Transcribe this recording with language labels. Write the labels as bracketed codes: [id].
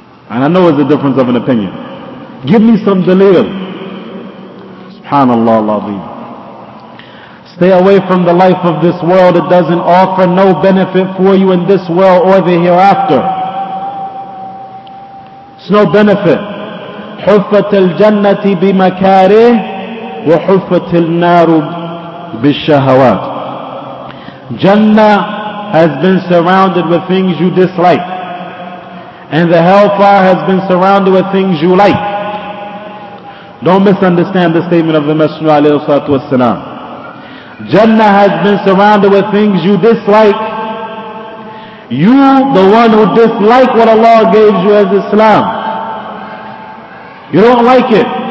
[en] And I know it's a difference of an opinion. Give me some dalil. Subhanallah, Allah. Stay away from the life of this world. It doesn't offer no benefit for you in this world or the hereafter. It's no benefit. [ar] حفت الجنة بمكاره وحفت النار بالشهوات. [en] Jannah has been surrounded with things you dislike, and the hellfire has been surrounded with things you like. Don't misunderstand the statement of the Messenger alayhi salatu wasalam. Jannah has been surrounded with things you dislike. You, the one who dislike what Allah gave you as Islam, you don't like it.